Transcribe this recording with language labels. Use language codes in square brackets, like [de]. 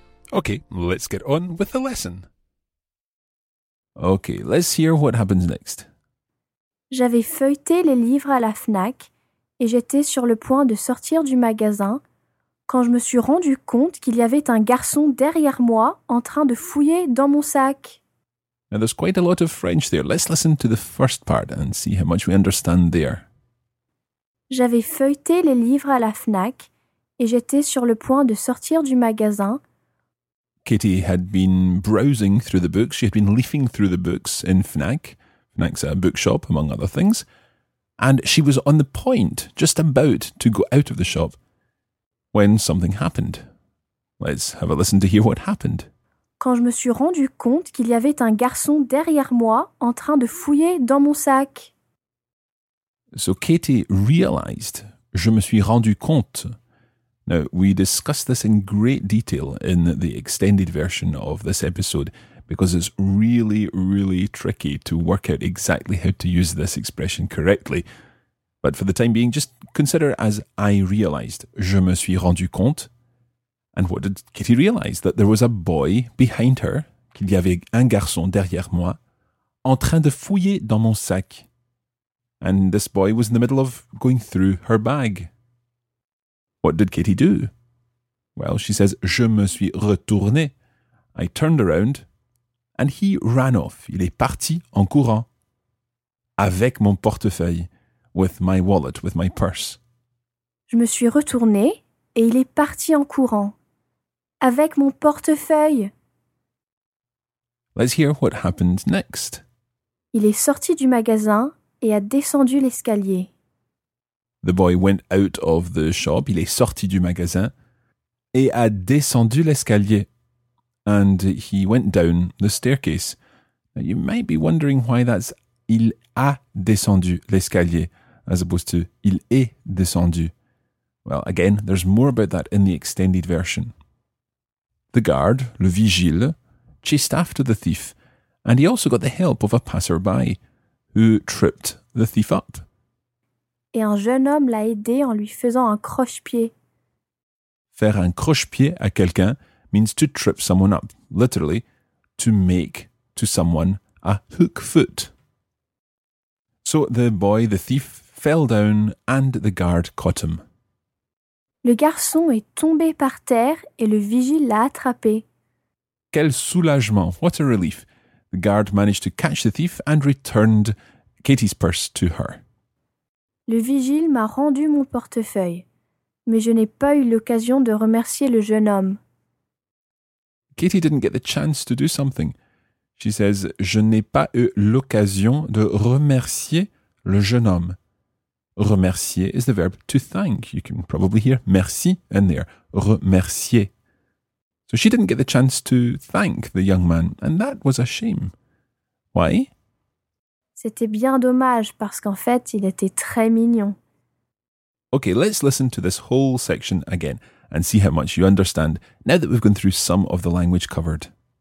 [en] Okay, let's get on with the lesson. Okay, let's hear what happens next. [fr] J'avais feuilleté les livres à la FNAC et j'étais sur le point de sortir du magasin quand je me suis rendu compte qu'il y avait un garçon derrière moi en train de fouiller dans mon sac. [en] Now there's quite a lot of French there. Let's listen to the first part and see how much we understand there. [fr] J'avais feuilleté les livres à la FNAC et j'étais sur le point de sortir du magasin. [en] Kitty had been browsing through the books. She had been leafing through the books in FNAC. FNAC's a bookshop, among other things. And she was on the point, just about, to go out of the shop when something happened. Let's have a listen to hear what happened. [fr] Quand je me suis rendu compte qu'il y avait un garçon derrière moi en train de fouiller dans mon sac. [en] So Katie realized, [fr] je me suis rendu compte. [en] Now, we discussed this in great detail in the extended version of this episode because it's really, really tricky to work out exactly how to use this expression correctly. But for the time being, just consider it as I realized, [fr] je me suis rendu compte. [en] And what did Katie realize? That there was a boy behind her, [fr] qu'il y avait un garçon derrière moi, en train de fouiller dans mon sac. [en] And this boy was in the middle of going through her bag. What did Katie do? Well, she says, [fr] je me suis retourné. [en] I turned around and he ran off. [fr] Il est parti en courant avec mon portefeuille, [en] with my wallet, with my purse. [fr] Je me suis retourné et il est parti en courant avec mon portefeuille. [en] Let's hear what happened next. [fr] Il est sorti du magasin et a descendu l'escalier. [en] The boy went out of the shop. [fr] Il est sorti du magasin et a descendu l'escalier. [en] And he went down the staircase. Now you might be wondering why that's [fr] il a descendu l'escalier [en] as opposed to [fr] il est descendu. [en] Well, again, there's more about that in the extended version. The guard, le vigile, chased after the thief and he also got the help of a passerby who tripped the thief up. [fr] Et un jeune homme l'a aidé en lui faisant un croche-pied. Faire un croche-pied à quelqu'un [en] means to trip someone up, literally, to make to someone a hook foot. So the boy, the thief, fell down and the guard caught him. [fr] Le garçon est tombé par terre et le vigile l'a attrapé. Quel soulagement, [en] what a relief. The guard managed to catch the thief and returned Katie's purse to her. [fr] Le vigile m'a rendu mon portefeuille, mais je n'ai pas eu l'occasion de remercier le jeune homme. [en] Katie didn't get the chance to do something. She says, [fr] je n'ai pas eu l'occasion de remercier le jeune homme. [en] Remercier is the verb to thank. You can probably hear merci in there. Remercier. So she didn't get the chance to thank the young man, and that was a shame. Why? [fr] C'était bien dommage parce qu'en fait, il était très mignon. [en] Okay, let's listen to this whole section again and see how much you understand now that we've gone through some of the language covered.